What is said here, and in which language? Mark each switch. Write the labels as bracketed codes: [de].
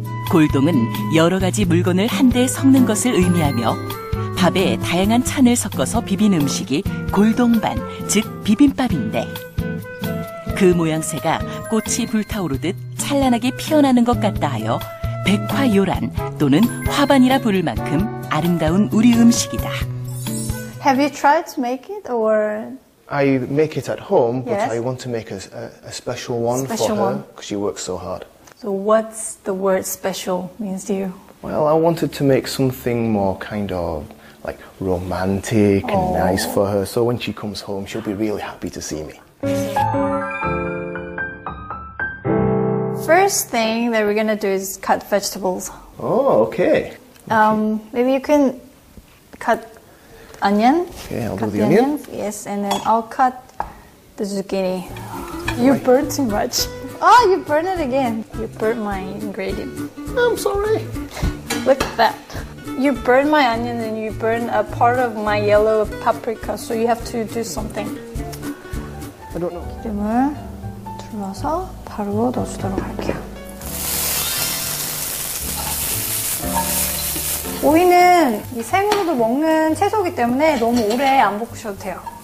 [ko] 골동은 여러 가지 물건을 한 대에 섞는 것을 의미하며 밥에 다양한 찬을 섞어서 비빈 음식이 골동반, 즉 비빔밥인데 그 모양새가 꽃이 불타오르듯 찬란하게 피어나는 것 같다 하여 백화요란 또는 화반이라 부를 만큼 아름다운 우리 음식이다. [en] Have you tried to make it or...? I make it at home, yes. But I want to make a special one special for her because she works so hard. So what's the word special means to you? Well, I wanted to make something more kind of like romantic and nice for her. So when she comes home, she'll be really happy to see me. First thing that we're going to do is cut vegetables. Oh, okay. Maybe you can cut onion. Okay, I'll do the onion. Yes, and then I'll cut the zucchini. You burnt too much. Oh, you burnt it again. You burnt my ingredient. I'm sorry. Look at that. You burned my onion and you burned a part of my yellow paprika, so you have to do something. I don't know. [ko] 기름을 둘러서 바로 넣어주도록 할게요. 오이는 이 생으로도 먹는 채소이기 때문에 너무 오래 안 볶으셔도 돼요.